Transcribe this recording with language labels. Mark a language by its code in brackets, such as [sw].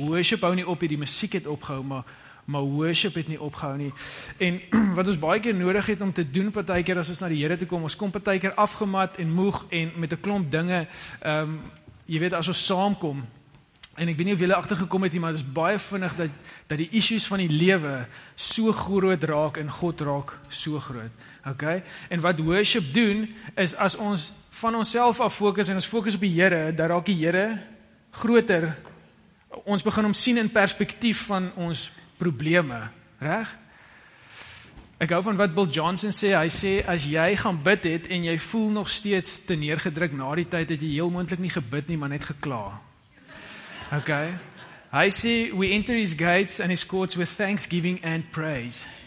[af] Worship hou nie op, die musiek het opgehou, maar worship het nie opgehou nie. En wat ons baie keer nodig het om te doen partykeer as ons na die Here toe kom, ons kom partykeer afgemat en moeg en met 'n klomp dinge, jy weet, as ons saamkom. En ek weet nie of julle agtergekom het nie, maar dit is baie vinnig dat die issues van die lewe so groot raak en God raak so groot. Okay? En wat worship doen is as ons van onsself af fokus en ons fokus op die Here, dat raak die Here groter. Ons begin om sien in perspektief van ons probleme, reg? Ek hou van wat Bill Johnson sê, hy sê, as jy gaan bid het en jy voel nog steeds te neergedruk na die tyd, het jy heel moontlik nie gebid nie, maar net gekla. Okay? Hy sê, [en] we enter his gates and his courts with thanksgiving and praise.